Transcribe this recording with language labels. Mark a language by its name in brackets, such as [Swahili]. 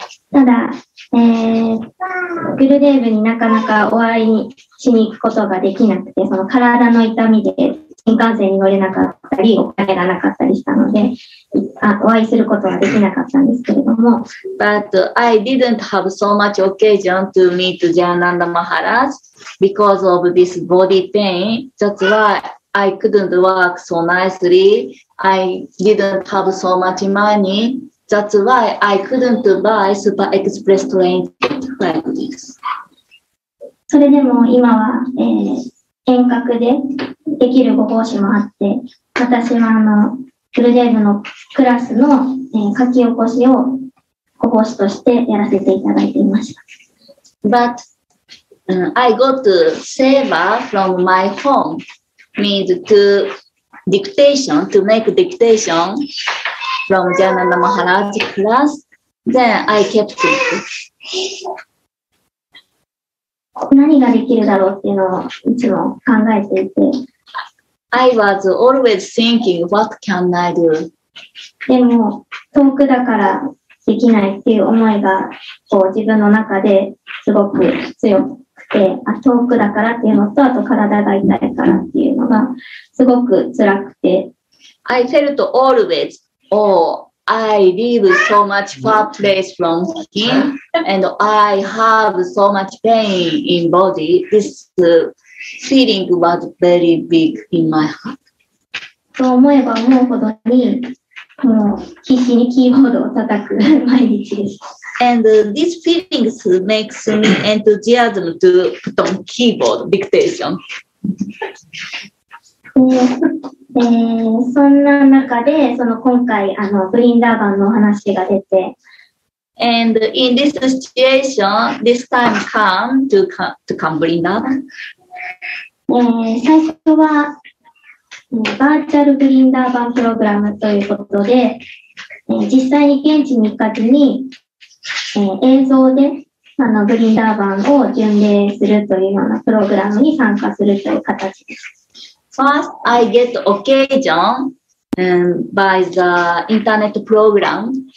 [Japanese] ただ、グルデーブになかなかお会いしに行くことができなくて、その体の痛みで新幹線に乗れなかったり、お金がなかったりしたので、お会いすることはできなかったんですけれども。 [English] But I didn't have so much occasion to meet Jayananda Maharaj. Because of this body pain, that's why I couldn't work so nicely. I didn't have so much money. That's why I couldn't buy Super Express train like this. [Japanese] それでも今は、遠隔でできるご奉仕もあって、私はグルデーブのクラスの、書き起こしをご奉仕としてやらせていただいていました。 [English] ButI got seva from my home, means to dictation, to make dictation from Jayananda Maharaj class. Then I kept it. [Japanese] 何ができるだろうっていうのをいつも考えていて。 [English] I was always thinking, what can I do? [Japanese] でも、遠くだからできないっていう思いが、こう自分の中ですごく強くて、あ、遠くだからっていうのと、あと体が痛いからっていうのが、すごく辛くて。 [English] I felt always, oh, I live so much far place from him, and I have so much pain in body. This feeling was very big in my heart. [Japanese] と思えば思うほどに、もう必死にキーボードを叩く毎日です。 [English] And these feelings makes me enthusiasm to put on keyboard dictation. [Japanese] そんな中で、その今回、ブリンダーバンのお話が出て。 [English] And in this situation, this time come to come ブリンダーバン。 [Japanese] 最初は、バーチャルブリンダーバンプログラムということで、実際に現地に行かずに、映像で、ブリンダーバンを巡礼するというようなプログラムに参加するという形です。 [English] First, I get occasion by the internet program.